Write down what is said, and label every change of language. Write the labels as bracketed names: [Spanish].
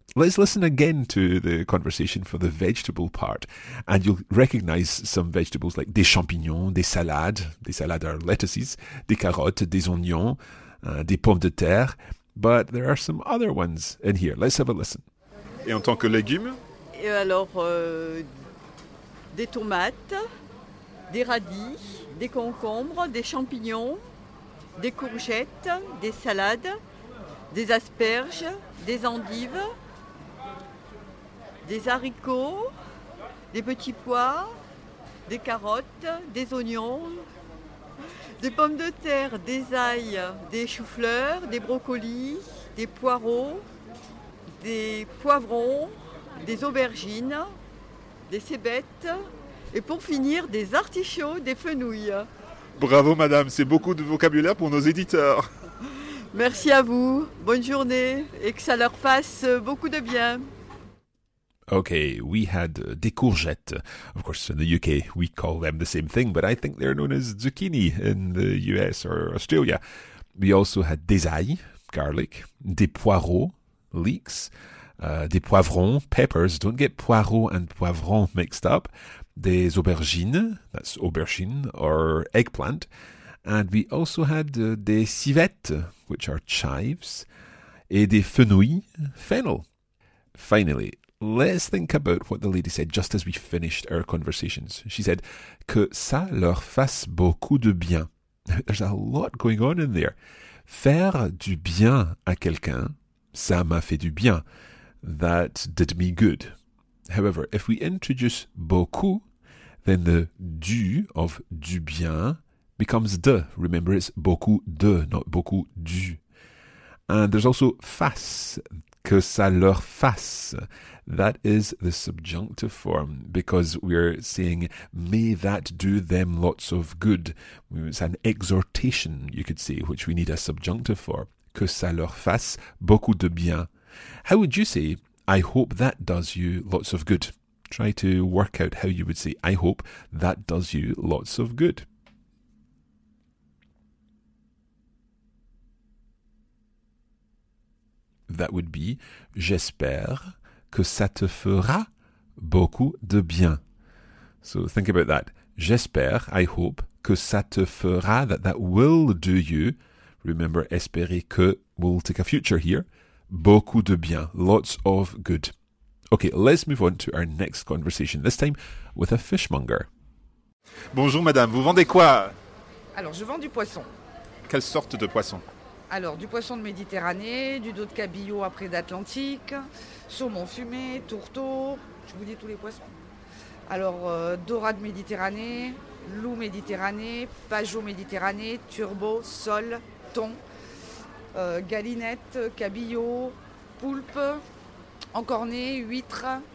[English] Let's listen again to the conversation for the vegetable part, and you'll recognize some vegetables like [French] des champignons, des salades [English] are lettuces, [French] des carottes, des oignons, des pommes de terre, [English] but there are some other ones in here. Let's have a listen. [French] Et en tant que légumes? Et alors, des tomates, des radis, des concombres, des champignons, des courgettes, des salades, des asperges, des endives, des haricots, des petits pois, des carottes, des oignons, des pommes de terre, des ailes, des choux-fleurs, des brocolis, des poireaux, des poivrons, des aubergines, des cébettes et pour finir, des artichauts, des fenouilles. Bravo madame, c'est beaucoup de vocabulaire pour nos éditeurs. Merci à vous, bonne journée et que ça leur fasse beaucoup de bien. [English] Okay, we had des courgettes. Of course, in the UK, we call them the same thing, but I think they're known as zucchini in the US or Australia. We also had des ailes, garlic, des poireaux, leeks, des poivrons, peppers. Don't get poireaux and poivrons mixed up. Des aubergines, that's aubergine or eggplant. And we also had des civettes, which are chives, et des fenouilles, fennel. Finally, let's think about what the lady said just as we finished our conversations. She said, [French] que ça leur fasse beaucoup de bien. [English] There's a lot going on in there. [French] Faire du bien à quelqu'un, ça m'a fait du bien. [English] That did me good. However, if we introduce beaucoup, then the du of du bien becomes de. Remember, it's beaucoup de, not beaucoup du. And there's also fasse. [French] Que ça leur fasse. [English] That is the subjunctive form because we're saying may that do them lots of good. It's an exhortation, you could say, which we need a subjunctive for. [French] Que ça leur fasse beaucoup de bien. [English] How would you say I hope that does you lots of good? Try to work out how you would say I hope that does you lots of good. That would be, [French] j'espère que ça te fera beaucoup de bien. [English] So think about that. J'espère, I hope, [French] que ça te fera, [English] that will do you, remember, espérer que, we'll take a future here, [French] beaucoup de bien, [English] lots of good. Okay, let's move on to our next conversation, this time with a fishmonger. [French] Bonjour madame, vous vendez quoi? Alors, je vends du poisson. Quelle sorte de poisson? Alors, du poisson de Méditerranée, du dos de cabillaud après d'Atlantique, saumon fumé, tourteau, je vous dis tous les poissons. Alors, dorade Méditerranée, loup Méditerranée, pajot Méditerranée, turbo, sole, thon, galinette, cabillaud, poulpe, encorné, huître.